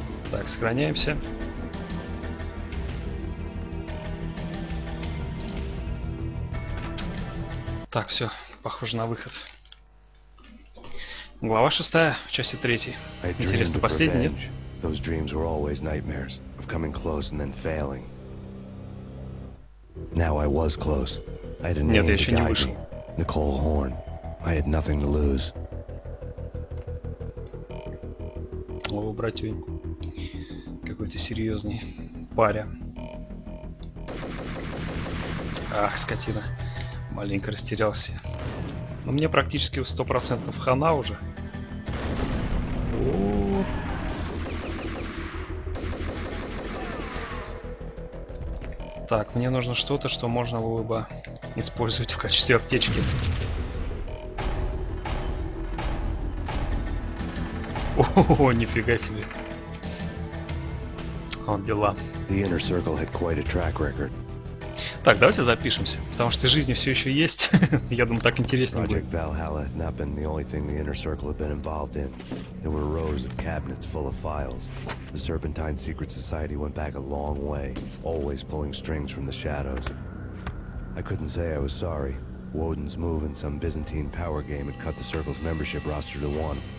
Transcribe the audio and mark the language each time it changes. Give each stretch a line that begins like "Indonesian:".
Russian: Так, сохраняемся. Так, все, похоже на выход. Глава 6, часть 3. Интересно, последний, нет?
English: Those dreams were always nightmares of coming close and then failing. Now I was close. I had a name to guide me. Nicole Horn. I had nothing to lose.
Russian: Его братью какой-то серьезный паря. Ах, скотина, маленько растерялся. Но мне практически 100% хана уже. О-о-о. Так, мне нужно что-то, что можно было бы использовать в качестве аптечки. О, нифига себе. Вот дела.
English: The inner circle had quite a track record.
Russian: Так, давайте запишемся, потому что жизни все еще есть. Я думаю, так интереснее будет.
English: Project Valhalla had not been the only thing the inner circle had been involved in. There were rows of cabinets full of files. The Serpentine Secret Society went back a long way, always pulling strings from the shadows. I couldn't say I was sorry. Woden's move in some Byzantine power game had cut the circle's membership roster to one.